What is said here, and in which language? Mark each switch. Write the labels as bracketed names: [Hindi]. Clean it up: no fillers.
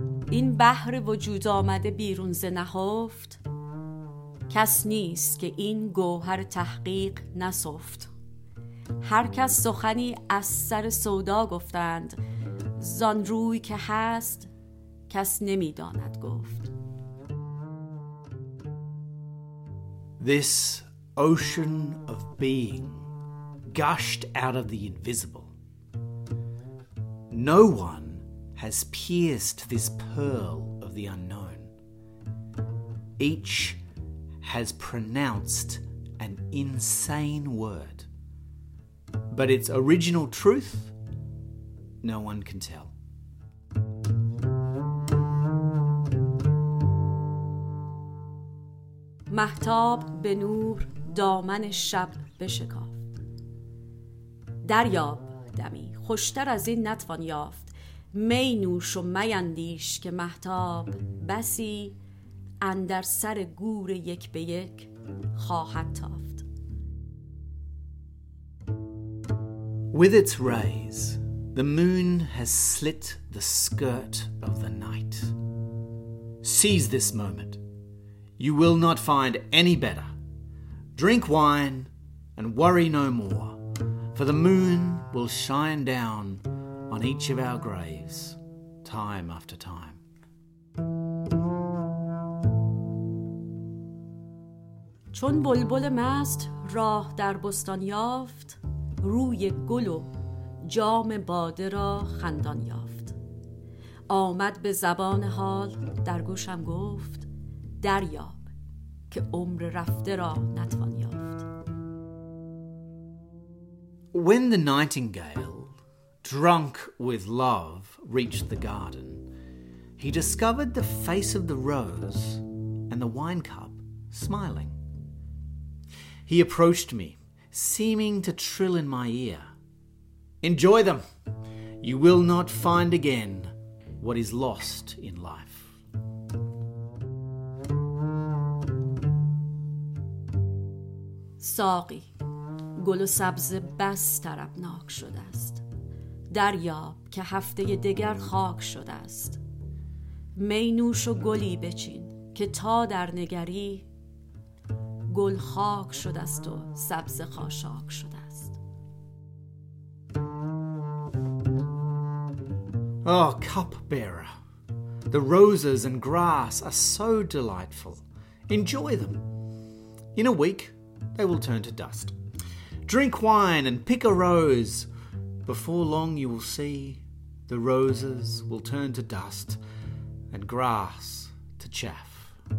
[Persian] این بحر وجود آمده بیرون ز نهفت کس نیست که این گوهر تحقیق نسفت هر کس سخنی از سر سودا گفتند زان روی که هست کس نمی داند گفت [English] This ocean of being gushed out of the invisible. No one has pierced this pearl of the unknown. Each has pronounced an insane word, but its original truth no one can tell. [Persian] مهتاب به نور دامن شب بشکافت. دریاب دمی خوشتر از این نتوان یافت. می نوش و می اندیش که مهتاب بسی اندر سر گور یک به یک خواهد تافت. [English] With its rays, the moon has slit the skirt of the night. Seize this moment. You will not find any better. Drink wine and worry no more, for the moon will shine down on each of our graves, time after time. [Persian] چون بلبل مست راه در بستان یافت، روی گل و جام باده را خندان یافت. آمد به زبان حال در گوشم گفت، دریاب که عمر رفته را نتوان یافت. [English] When the nightingale, drunk with love, reached the garden, he discovered the face of the rose and the wine cup smiling. He approached me, seeming to trill in my ear. Enjoy them. You will not find again what is lost in life. [Persian] ساقی، گل و سبز بس طربناک شده است. دریاب که هفته دیگر خاک شده است. می نوش و گلی بچین که تا در نگری گل خاک شده است و سبز خاشاک شده است. [English] Oh, cup bearer, the roses and grass are so delightful. Enjoy them. In a week, they will turn to dust. Drink wine and pick a rose. Before long you will see the roses will turn to dust and grass to chaff.